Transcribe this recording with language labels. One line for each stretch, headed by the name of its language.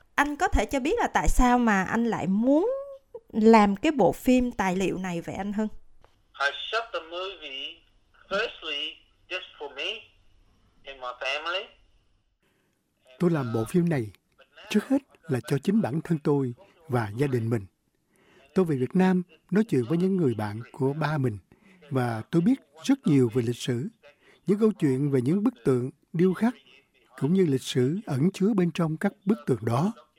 Vietnamese: Anh có thể cho biết là tại sao mà anh lại muốn làm cái bộ phim tài liệu này vậy anh Hưng?
English: I shot the movie firstly just for me and my family.
Vietnamese: Tôi làm bộ phim này Trước hết là cho chính bản thân tôi và gia đình mình. Tôi về Việt Nam nói chuyện với những người bạn của ba mình và tôi biết rất nhiều về lịch sử, những câu chuyện về những bức tượng điêu khắc cũng như lịch sử ẩn chứa bên trong các bức tượng đó.